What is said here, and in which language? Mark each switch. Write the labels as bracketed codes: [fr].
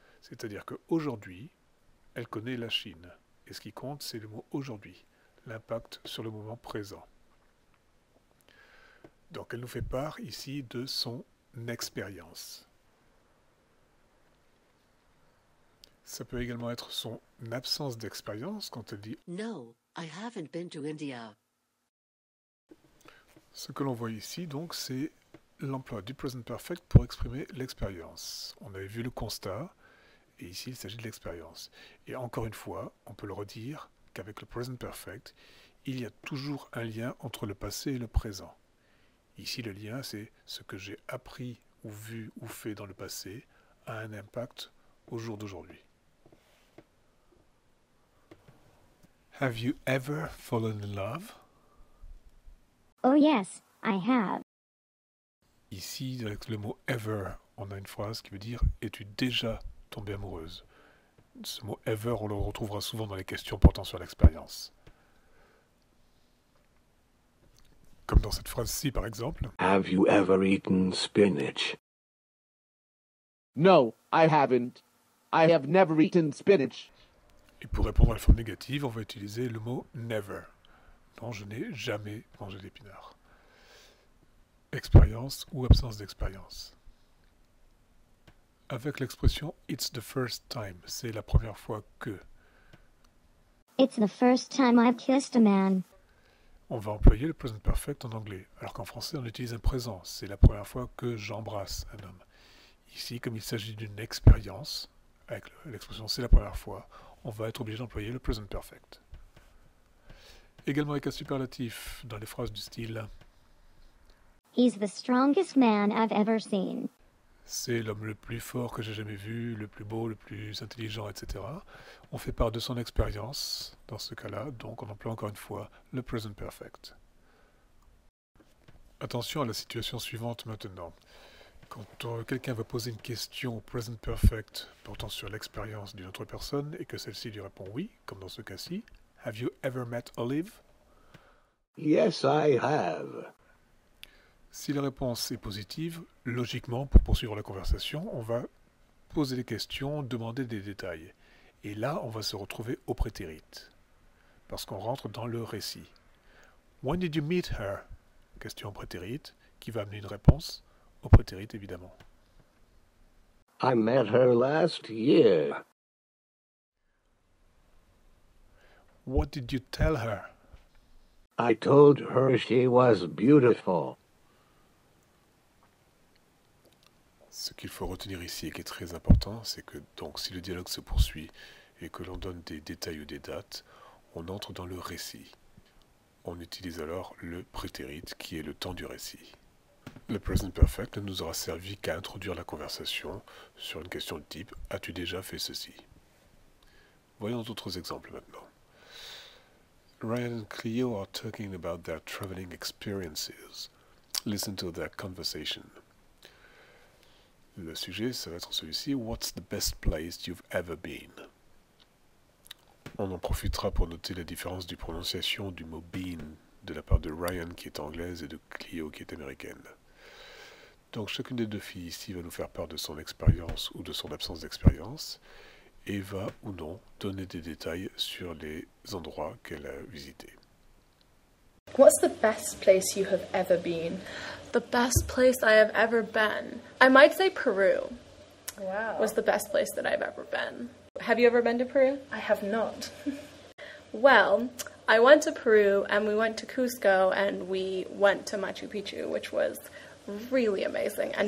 [fr] C'est-à-dire qu'aujourd'hui, elle connaît la Chine. Et ce qui compte, c'est le mot « aujourd'hui ». L'impact sur le moment présent. Donc elle nous fait part ici de son expérience. Ça peut également être son absence d'expérience quand elle dit [en] « No, I haven't been to India. » [fr] Ce que l'on voit ici donc, c'est l'emploi du present perfect pour exprimer l'expérience. On avait vu le constat et ici il s'agit de l'expérience. Et encore une fois, on peut le redire, avec le present perfect, il y a toujours un lien entre le passé et le présent. Ici, le lien, c'est ce que j'ai appris ou vu ou fait dans le passé a un impact au jour d'aujourd'hui. [en] Have you ever fallen in love? Oh yes, I have. [fr] Ici, avec le mot ever, on a une phrase qui veut dire « es-tu déjà tombée amoureuse ?» Ce mot « ever », on le retrouvera souvent dans les questions portant sur l'expérience. Comme dans cette phrase-ci, par exemple. [en] « Have you ever eaten spinach ?»« No, I haven't. I have never eaten spinach. » [fr] Et pour répondre à la forme négative, on va utiliser le mot « never ». Non, je n'ai jamais mangé d'épinards. Expérience ou absence d'expérience. Avec l'expression « [en] it's the first time [fr] », c'est la première fois que. [en] It's the first time I've kissed a man. [fr] On va employer le present perfect en anglais, alors qu'en français on utilise un présent, c'est la première fois que j'embrasse un homme. Ici, comme il s'agit d'une expérience, avec l'expression « c'est la première fois », on va être obligé d'employer le present perfect. Également avec un superlatif, dans les phrases du style. [en] He's the strongest man I've ever seen. [fr] C'est l'homme le plus fort que j'ai jamais vu, le plus beau, le plus intelligent, etc. On fait part de son expérience dans ce cas-là, donc on emploie encore une fois le present perfect. Attention à la situation suivante maintenant. Quand quelqu'un va poser une question au present perfect portant sur l'expérience d'une autre personne et que celle-ci lui répond oui, comme dans ce cas-ci, « [en] Have you ever met Olive ?»« Yes, I have. » [fr] Si la réponse est positive, logiquement, pour poursuivre la conversation, on va poser des questions, demander des détails. Et là, on va se retrouver au prétérit, parce qu'on rentre dans le récit. [en] When did you meet her? [fr] Question au prétérit, qui va amener une réponse au prétérit, évidemment. [en] I met her last year. What did you tell her? I told her she was beautiful. [fr] Ce qu'il faut retenir ici et qui est très important, c'est que donc, si le dialogue se poursuit et que l'on donne des détails ou des dates, on entre dans le récit. On utilise alors le prétérit qui est le temps du récit. Le present perfect ne nous aura servi qu'à introduire la conversation sur une question de type « As-tu déjà fait ceci ?» Voyons d'autres exemples maintenant. [en] Ryan et Cleo are talking about their traveling experiences. Listen to their conversation. [fr] Le sujet, ça va être celui-ci. [en] What's the best place you've ever been? [fr] On en profitera pour noter la différence du prononciation du mot been de la part de Ryan qui est anglaise et de Cleo qui est américaine. Donc chacune des deux filles ici va nous faire part de son expérience ou de son absence d'expérience et va ou non donner des détails sur les endroits qu'elle a visités. [en] What's the best place you have ever been? The best place I have ever been. I might say Peru. Wow. Was the best place that I've ever been. Have you ever been to Peru? I have not. Well, I went to Peru and we went to Cusco and we went to Machu Picchu, which was really amazing and